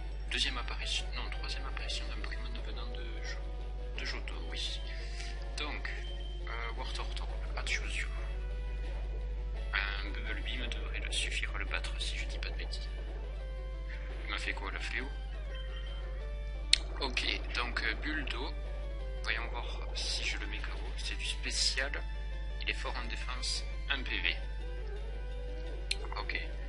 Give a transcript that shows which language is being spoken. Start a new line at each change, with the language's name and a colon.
French: Deuxième apparition, non, troisième apparition d'un Pokémon venant de Johto, oui. Donc,
English: Wartortle, I choose you.
French: Un Bubble Beam devrait suffire à le battre si je dis pas de bêtises. Il m'a fait quoi, la fléau? Ok, donc Bulldo, voyons voir si je le mets KO, c'est du spécial, il est fort en défense, 1 PV. Ok.